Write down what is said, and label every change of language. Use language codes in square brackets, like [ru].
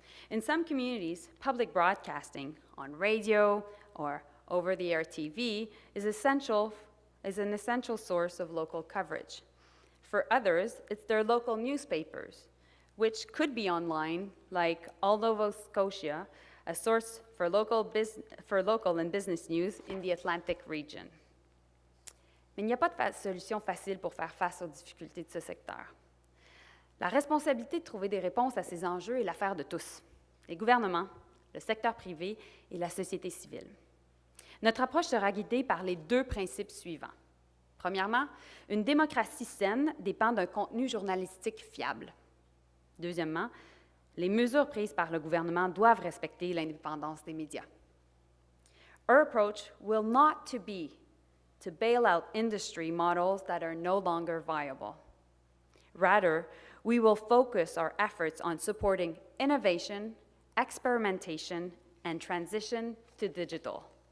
[en] In some communities, public broadcasting on radio or over-the-air TV is an essential source of local coverage. For others, it's their local newspapers, which could be online, like All Nova Scotia, a source for local and business news in the Atlantic region. [fr] Mais il n'y a pas de solution facile pour faire face aux difficultés de ce secteur. La responsabilité de trouver des réponses à ces enjeux est l'affaire de tous, les gouvernements, le secteur privé et la société civile. Notre approche sera guidée par les deux principes suivants. Premièrement, une démocratie saine dépend d'un contenu journalistique fiable. Deuxièmement, les mesures prises par le gouvernement doivent respecter l'indépendance des médias. [en] Our approach will not to be to bail out industry models that are no longer viable. Rather, we will focus our efforts on supporting innovation, experimentation, and transition to digital.